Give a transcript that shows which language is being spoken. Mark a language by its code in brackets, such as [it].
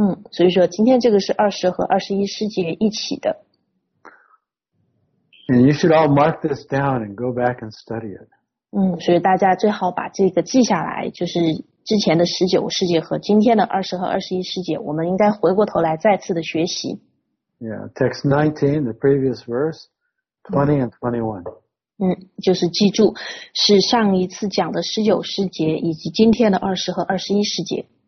[zh] 所以说今天这个是20和21诗节一起的。 [en] And you should all mark this down and go back and study it. [zh] 所以大家最好把这个记下来，就是之前的19诗节和今天的20和21诗节，我们应该回过头来再次的学习。 [en] Yeah, text 19, the previous verse, 20 and 21. [zh] 就是记住是上一次讲的19诗节以及今天的20和21诗节。